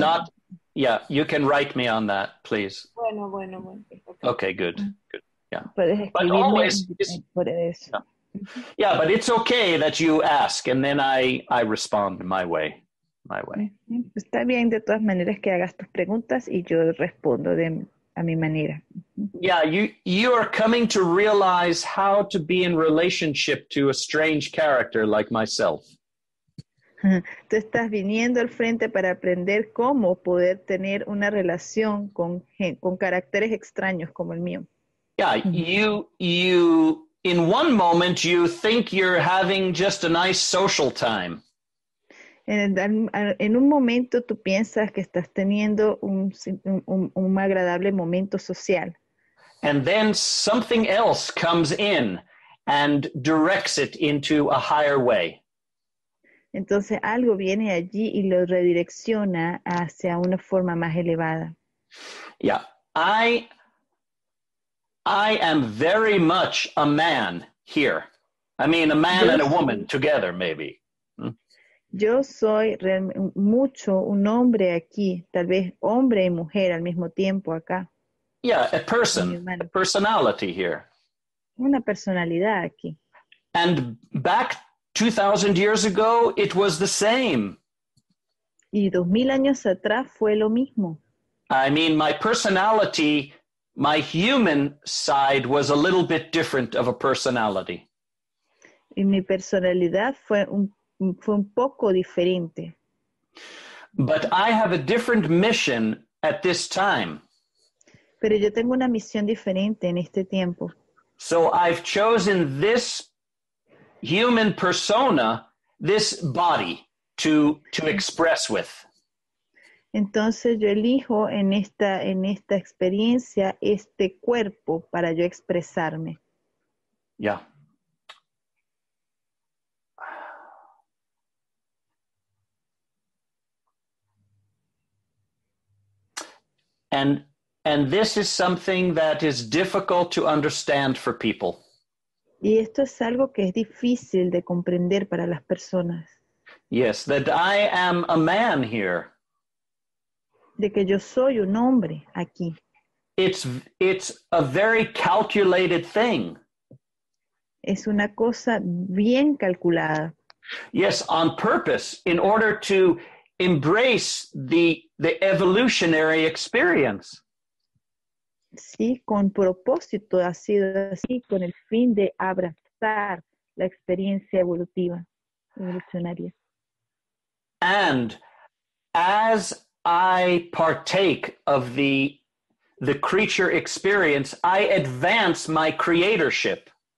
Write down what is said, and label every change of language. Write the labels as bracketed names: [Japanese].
[English] Not, yeah, you can write me on that, please. [Spanish] Bueno. [English] Okay, okay, good. Good. Yeah. [Spanish] Puedes escribirme, [English] but always, [Spanish] por eso. [English] Yeah, but it's okay that you ask and then I respond my way. [Spanish] Está bien de todas maneras que hagas tus preguntas y yo respondo a mi manera. [English] Yeah, you are coming to realize how to be in relationship to a strange character like myself. [Spanish] Tú estás viniendo al frente para aprender cómo poder tener una relación con caracteres extraños como el mío. [English] Yeah, you in one moment you think you're having just a nice social time. [Spanish] En un momento tú piensas que estás teniendo un agradable momento social. [English] And then something else comes in and directs it into a higher way. [Spanish] Entonces algo viene allí y lo redirecciona hacia una forma más elevada. [English] Yeah, I am very much a man here. I mean, a man and a woman together, maybe. [Spanish] Yo soy mucho un hombre aquí, tal vez hombre y mujer al mismo tiempo acá. [English] Yeah, a person, a personality here. [Spanish] Una personalidad aquí. [English] And back 2,000 years ago, it was the same. [Spanish] Y 2,000 años atrás fue lo mismo. [English] I mean, my personality, my human side was a little bit different of a personality. [Spanish] Y mi personalidad fue un poco diferente. [English] But I have a different mission at this time. [Spanish] Pero yo tengo una misión diferente en este tiempo. [English] So I've chosen this human persona, this body, to express with. [Spanish] Entonces yo elijo en esta experiencia este cuerpo para yo expresarme. [English] Yeah. And this is something that is difficult to understand for people. [Spanish] Y esto es algo que es difícil de comprender para las personas. [English] Yes, that I am a man here. [Spanish] De que yo soy un hombre aquí. [English] It's a very calculated thing. [Spanish] Es una cosa bien calculada. [English] Yes, on purpose, in order to embrace the evolutionary experience. [Spanish] Sí, con propósito ha sido así, con el fin de abrazar la experiencia evolutiva, evolucionaria. [English] And as I partake of the creature experience, I advance my creatorship.